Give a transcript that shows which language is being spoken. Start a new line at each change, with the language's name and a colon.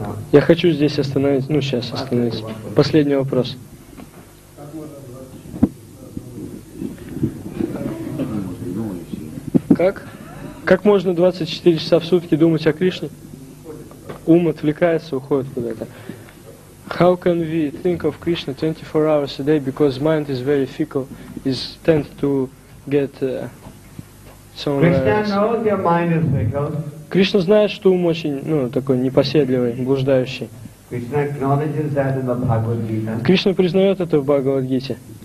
Russian: Я хочу здесь остановить, ну сейчас остановиться. Последний вопрос. Как? Как можно 24 часа в сутки думать о Кришне? Ум отвлекается, уходит куда-то.
English: How can we think of Krishna 24 hours a day because mind is very fickle, is tend to get somewhere else? Krishna knows your mind is fickle.
Russian: Кришна знает, что ум очень, ну, такой непоседливый, блуждающий.
English: Krishna acknowledges that in the Bhagavad Gita.
Russian: Кришна признает это в Бхагавад Гите.